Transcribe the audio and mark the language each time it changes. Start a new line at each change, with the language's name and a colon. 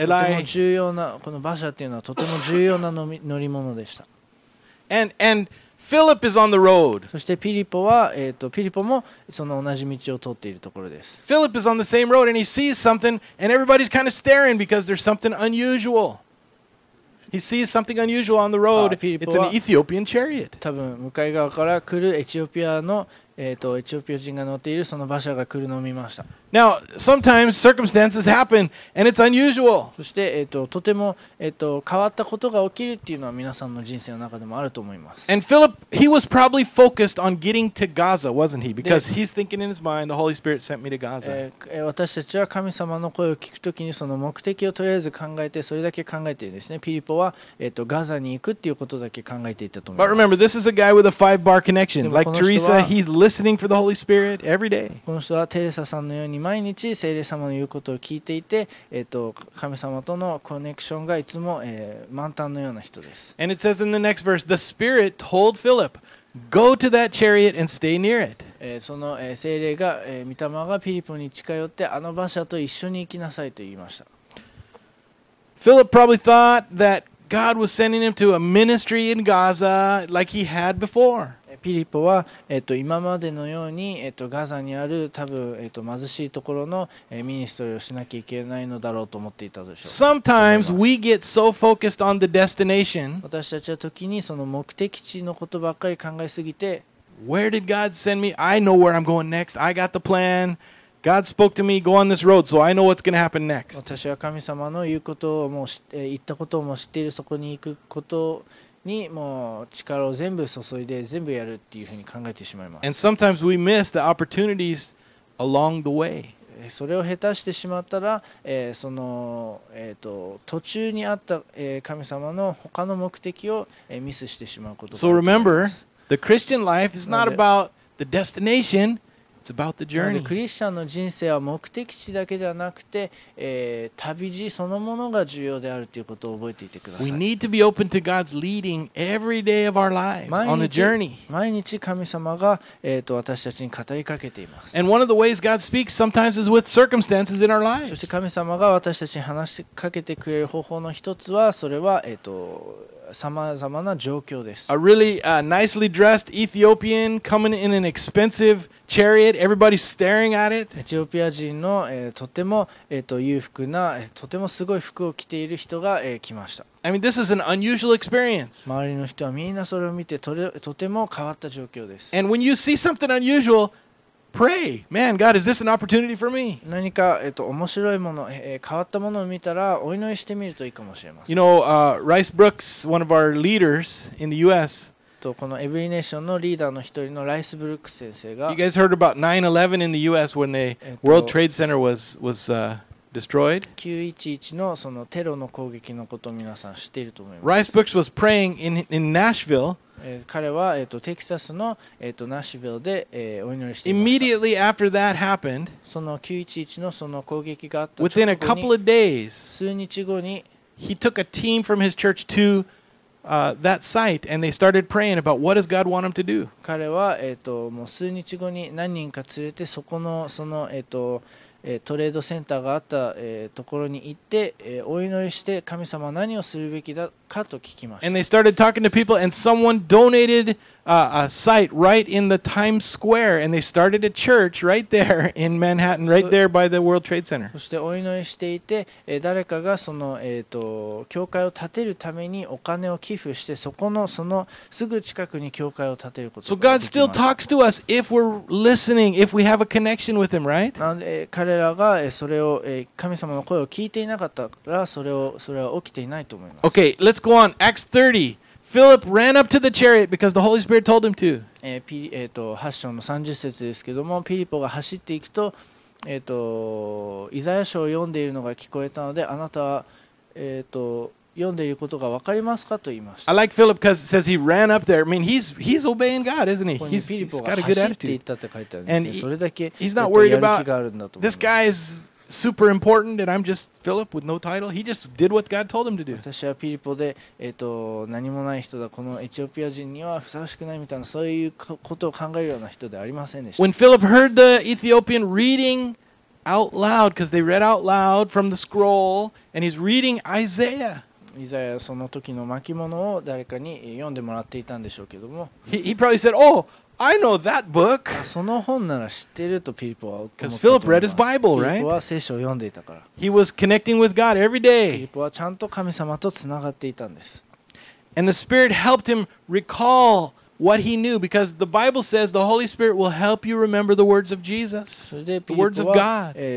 Japanese: とても重要なこの馬車っていうのはとても重要な乗り物でした。
English: And Philip is on the road.
Japanese: そしてピリポはピリポもその同じ道を通っているところです。
English: Philip is on the same road and he sees something and everybody's kind of staring because there's something unusual. He sees something unusual on the road. It's an Ethiopian chariot.
Japanese: 多分向かい側から来るエチオピアのエチオピア人が乗っているその馬車が来るのを見ました。
English: Now, sometimes circumstances happen, and it's unusual.
Japanese: そして、とても、変わったことが起きるっていうのは皆さんの人生の中でもあると思います。
English: And Philip, he was probably focused on getting to Gaza, wasn't he? Because he's thinking in his mind, the Holy Spirit sent me to Gaza.
Japanese: 私たちは神様の声を聞くときにその目的をとりあえず考えて、それだけ考えているんですね。ピリポは、ガザに行くっていうことだけ考えていたと思います。
English: But remember, this is a guy with a five-bar connection. Like Teresa, he's listening for the Holy Spirit every day.
Japanese: この人はテレサさんのように毎日聖霊様の言うことを聞いていて、神様とのコネクションがいつも、満タンのような人です。
English: And it says in the next verse, the Spirit told Philip, go to that chariot and stay near it.
Japanese: その、聖霊が、御霊がピリポに近寄って、あの馬車と一緒に行きなさいと言いました。
English: Philip probably thought that God was sending him to a ministry in Gaza like he had before.
Japanese: ピリポは、今までのように、ガザにある多分、貧しいところの、ミニストリーをしなきゃいけないのだろうと思っていたでしょう。
English: Sometimes we get so focused on the destination.
Japanese: 私たちは時にその目的地のことばっかり考えすぎて、
English: Where did God send me? I know where I'm going next. I got the plan. God spoke to me, go on this road, so I know what's going to happen next.
Japanese: 私は神様の言うことをもう知って、言ったことをもう知っている、そこに行くことをにもう力を全部注いで全部やるっていうふうに考えてしまいます。
English: And sometimes we miss the opportunities along the way.
Japanese: それを下手してしまったら、その、途中にあった、神様の他の目的を、ミスしてしまうことがあります。
English: So remember, the Christian life is not about the destination, it's about the journey.
Japanese: クリスチャンの人生は目的地だけではなくて、旅路そのものが重要であるということを覚えていてください。
English: We need to be open to God's leading every day of our lives on the journey.
Japanese: 毎日神様が、私たちに語りかけています。
English: And one of the ways God speaks sometimes is with circumstances in our lives.
Japanese: そして神様が私たちに話しかけてくれる方法の一つは、それは、様々な状況です。
English: A really nicely dressed Ethiopian coming in an expensive chariot. Everybody's staring at it.
Japanese: エチオピア人の、とても、裕福な、とてもすごい服を着ている人が、来ました。
English: I mean, this is an unusual experience.
Japanese: 周りの人はみんなそれを見て、とても変わった状況です。
English: And when you see something unusual,Pray, man, God, is this an opportunity for me?
Japanese: 何か面白いもの、変わったものを見たらお祈りしてみるといいかもしれません。
English: You know, Rice Brooks, one of our leaders in the U.S.
Japanese: とこのエブリネーションのリーダーの一人のライスブルックス先生が、
English: You guys heard about 9/11 in the U.S. when the World Trade Center was destroyed?
Japanese: 9/11 のそのテロの攻撃のことを皆さん知っていると思います。
English: Rice Brooks was praying in Nashville.
Japanese: 彼は、テキサスの、ナッシュビルで、お祈りしていました。
English: Immediately after that happened,
Japanese: その9/11のその攻撃があった直後に、
English: Within a couple of days,
Japanese: 数日後に、
English: he took a team from his church to, that site and they started praying about what does God want him to do.
Japanese: 彼は、もう数日後に何人か連れてそこの、その、トレードセンターがあった、ところに行って、お祈りして神様は何をするべきだかと聞きました。
English: And they started talking to people and someone donated a site right in the Times Square and they started a church right there in Manhattan, right there by the World Trade Center.
Japanese: そしてお祈りしていて、誰かがその、教会を建てるためにお金を寄付してそこのそのすぐ近くに教会を建てることができました。
English: So God still talks to us if we're listening, if we have a connection with him, right?
Japanese: なので彼らがそれを神様の声を聞いていなかったらそれは起きていないと思います。
English: Okay, let's go on. Acts 30. Philip ran up to the chariot because the Holy Spirit told him to.
Japanese: 8章の30節ですけども、ピリポが走っていくと、イザヤ書を読んでいるのが聞こえたので、あなたは、読んでいることが分かりますかと言いました。
English: I like Philip because it says he ran up there. I mean, he's obeying God, isn't he? He's got a good attitude. And
Japanese: それだけ、
English: he's not worried about this guy is super important and I'm just Philip with no title. He just did what God told him to do.
Japanese: 私はピリポで、何もない人だ。このエチオピア人にはふさわしくないみたいな、そういうことを考えるような人ではありませんでした。
English: When Philip heard the Ethiopian readingOut loud, because they read out loud from the scroll, and he's reading Isaiah.
Japanese: Isaiah, その時の巻物を誰かに読んでもらっていたんでしょうけども。
English: He probably said, "Oh, I know that book."
Japanese: その本なら知ってるとピリポは思ったと思います。
English: Because Philip read his Bible, right?
Japanese: ピリポは聖書を読んでいたから。
English: He was connecting with God every day.
Japanese: ピリポはちゃんと神様とつながっていたんです。
English: And the Spirit helped him recall what he knew, because the Bible says the Holy Spirit will help you remember the words of Jesus, the words of God.